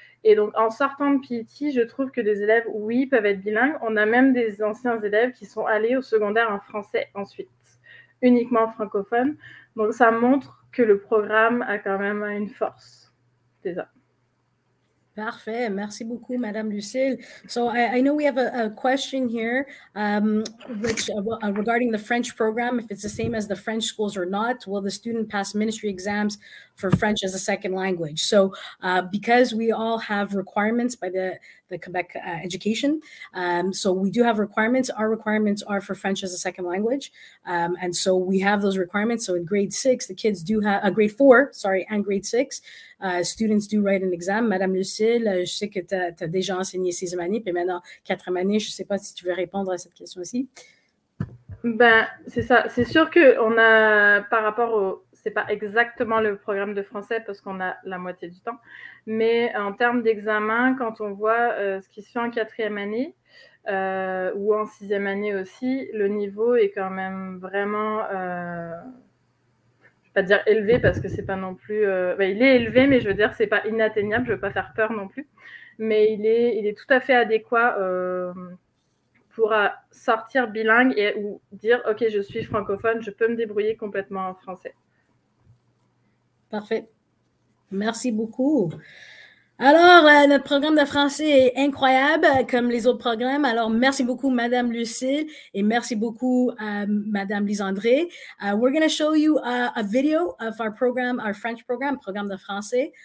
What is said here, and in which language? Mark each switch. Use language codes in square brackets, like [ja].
[fr] Et donc, en sortant de PET, je trouve que des élèves, oui, peuvent être bilingues. On a même des anciens élèves qui sont allés au secondaire en français ensuite, uniquement francophone. Donc, ça montre que le programme a quand même une force. C'est ça. Parfait. Merci beaucoup, Madame Lucille. [en] So, I know we have a question here regarding the French program, if it's the same as the French schools or not. Will the student pass ministry exams for French as a second language? So, because we all have requirements by the Quebec education, so we do have requirements. Our requirements are for French as a second language. And so we have those requirements. So in grade six, the kids do have, grade four, sorry, and grade six, students do write an exam. [fr] Madame Lucille, je sais que t'as déjà enseigné sixième année, puis maintenant quatrième année, je sais pas si tu veux répondre à cette question aussi. Ben, c'est ça. C'est sûr que on a, par rapport au, c'est pas exactement le programme de français parce qu'on a la moitié du temps, mais en termes d'examen, quand on voit ce qui se fait en quatrième année ou en sixième année aussi, le niveau est quand même vraiment... je ne vais pas dire élevé parce que c'est pas non plus... il est élevé, mais je veux dire, c'est pas inatteignable, je ne veux pas faire peur non plus. Mais il est tout à fait adéquat pour sortir bilingue et ou dire, OK, je suis francophone, je peux me débrouiller complètement en français. Parfait. Merci beaucoup. Alors, notre programme de français est incroyable, comme les autres programmes. Alors, merci beaucoup, Madame Lucille, et merci beaucoup, Madame Lisandré. [en] We're going to show you a video of our program, our French program, [fr] programme de français.